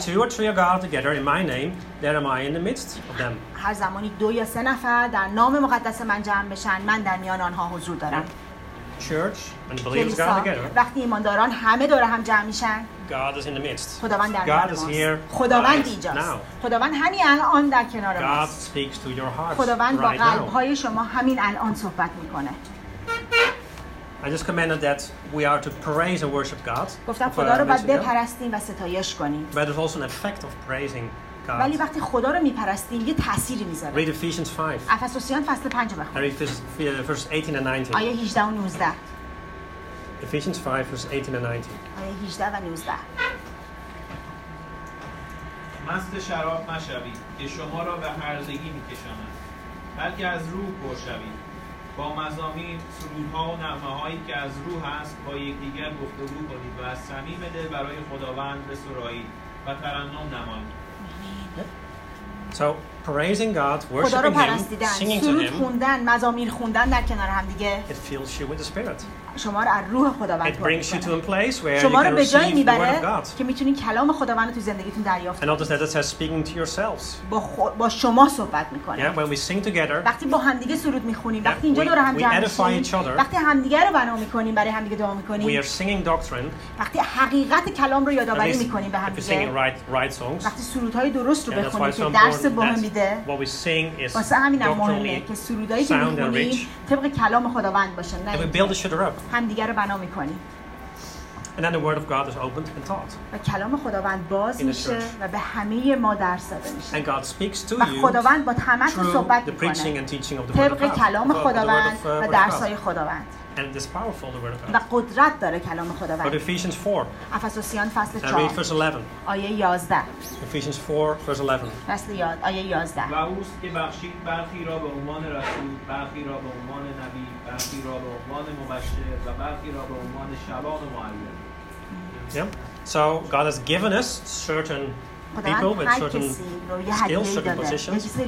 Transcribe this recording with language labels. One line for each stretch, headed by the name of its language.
English: For where two or three are gathered together in my name, there am I in the midst of them.
Persian: هر زمانی دو یا سه نفر در نام مقدس من جمع بشن، من در میان آنها حضور دارم.
English: Church and believers gather together.
Persian: وقتی ایمانداران همه دور هم جمع میشن.
English: God is in the midst.
Persian: خداوند در
English: God is here.
Persian: خداوند اینجاست. خداوند همین الان در کنار ماست.
English: God speaks to your hearts.
Persian: خداوند
English: right
Persian: با قلب‌های شما همین الان صحبت میکنه.
English: I just commanded that we are to praise and worship God.
Persian: گفتم خدا رو باید بپرستیم و ستایش کنیم.
English: But it's also an effect of praising God.
Persian: ولی وقتی خدا رو میپرستیم یه تأثیری میذاره.
English: Read Ephesians 5.
Persian: افسوسیان فصل 5 بخون.
English: Read verse 18 and 19.
Persian: آیه 18 و 19.
English: Ephesians 5 verse 18 and 19.
Persian: آیه 18 و 19. مست شراب مشوید که شما را به هرزگی میکشاند، بلکه از روح پر شوید، با مزامیر، سرودها و نغمه‌هایی که از روح است با یکدیگر گفتگو کنید و از صمیم دل برای خداوند بسرایید و ترنم نمایید.
English: So praising God, worshiping Him, singing to Him,
Persian: خوندن، مزامیر خوندن در کنار هم دیگه.
English: It fills you with the Spirit.
Persian: شما رو از روح خداوند
English: It brings you to a place where you can receive the Word of God.
Persian: که میتونی کلام خداوند رو تو زندگیتون دریافت کنی.
English: And not just that, it's speaking to yourselves.
Persian: با شما صحبت میکنه.
English: Yeah, when we sing together.
Persian: وقتی با همدیگه سرود میخونیم، وقتی اینجا دور هم جمع میشیم، وقتی همدیگه رو بنا میکنیم، برای همدیگه دعا میکنیم.
English: We are singing doctrine.
Persian: وقتی حقیقت کلام رو یادآوری میکنیم به همدیگه.
English: Singing right songs.
Persian: وقتی سرودهای درست رو بخونیم که درس به ما میده.
English: What we sing is.
Persian: واسه همین هم مهمه که سرودایی که میخونیم طبق کلام خداوند باشه. همدیگر رو بنا میکنیم.
English: And then the word of God is opened and taught.
Persian: و کلام خداوند باز میشه و به همه ما درس داده میشه.
English: And God speaks to you.
Persian: و خداوند با تمام صحبت میکنه. طبق کلام خداوند و درسای خداوند.
English: And it is powerful, the word of God.
Persian: و قدرت داره کلام خداوند.
English: But Ephesians 4.
Persian: افسوسیان فصل 4.
English: Read verse 11.
Persian: آیه 11.
English: Ephesians 4 verse 11.
Persian: فصل 11 آیه 11. و اوست که بخشید برخی را به عنوان رسول، برخی را به عنوان نبی، برخی را به عنوان مبشر و برخی را به عنوان شبان و معلم.
English: Yeah. So God has given us certain people with certain skills, certain positions.